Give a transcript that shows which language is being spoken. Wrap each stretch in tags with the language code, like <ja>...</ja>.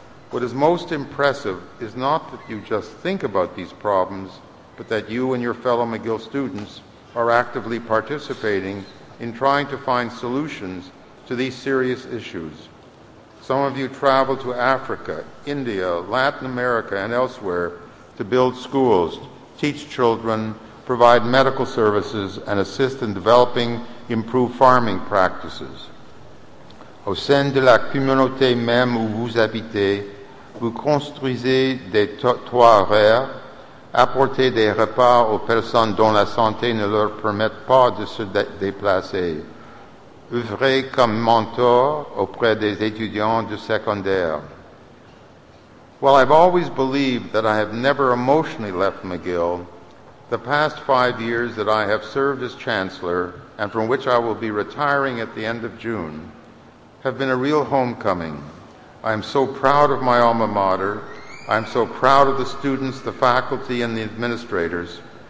<en>What is most impressive is not that you just think about these problems, but that you and your fellow McGill students are actively participating in trying to find solutions to these serious issues. Some of you travel to Africa, India, Latin America, and elsewhere to build schools, teach children, provide medical services, and assist in developing improved farming practices.</en> <fr>Au sein de la communauté même où vous habitez, vous construisez des toits rares, apporter des repas aux personnes dont la santé ne leur permet pas de se déplacer, œuvrer comme mentor auprès des étudiants du secondaire.</fr> <en>While I've always believed that I have never emotionally left McGill, the past 5 years that I have served as chancellor, and from which I will be retiring at the end of June, have been a real homecoming. I am so proud of my alma mater. I'm so proud of the students, the faculty, and the administrators.</en>